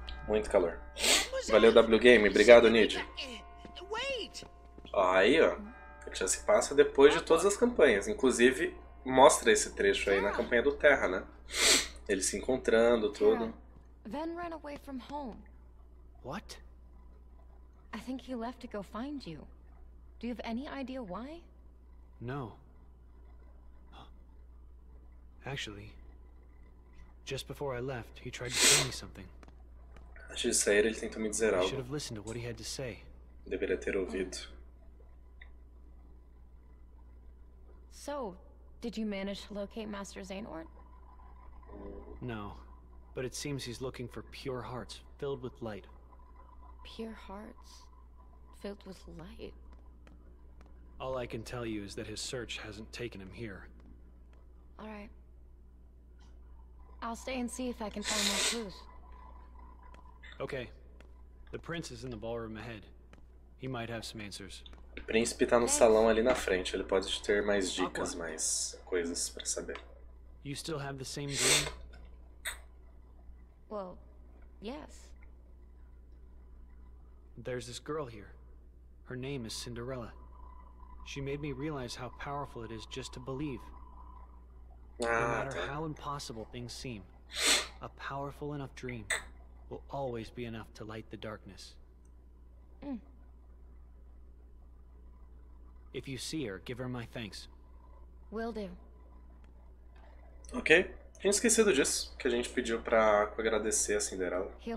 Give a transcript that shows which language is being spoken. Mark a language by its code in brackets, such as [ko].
[pt] Muito calor. Valeu, W Game. Obrigado, Nid. Ó, aí, ó. Já se passa depois de todas as campanhas. Inclusive, mostra esse trecho aí na campanha do Terra, né? Eles se encontrando, tudo. [en] Van ran away from home. What? I think he left to go find you. Do you have any idea why? No. Actually, just before I left, he tried to tell me something. [pt] Antes de sair, ele tentou me dizer algo. [en] I should have listened to what he had to say. [pt] Deveria ter ouvido. [en] So, did you manage to locate Master Zaynort? No, but it seems he's looking for pure hearts filled with light. Pure hearts filled with light. All I can tell you is that his search hasn't taken him here. All right. I'll stay and see if I can find more clues. Okay. The prince is in the ballroom ahead. He might have some answers. [pt] O príncipe tá no salão ali na frente. Ele pode ter mais dicas, mais coisas para saber. [en] You still have the same dream? Well, yes. There's this girl here. Her name is Cinderella. She made me realize how powerful it is just to believe. No matter how impossible things seem, a powerful enough dream will always be enough to light the darkness. Mm. If you see her, give her my thanks. Will do. [pt] Ok, tinha esquecido disso, que a gente pediu pra agradecer a Cinderela.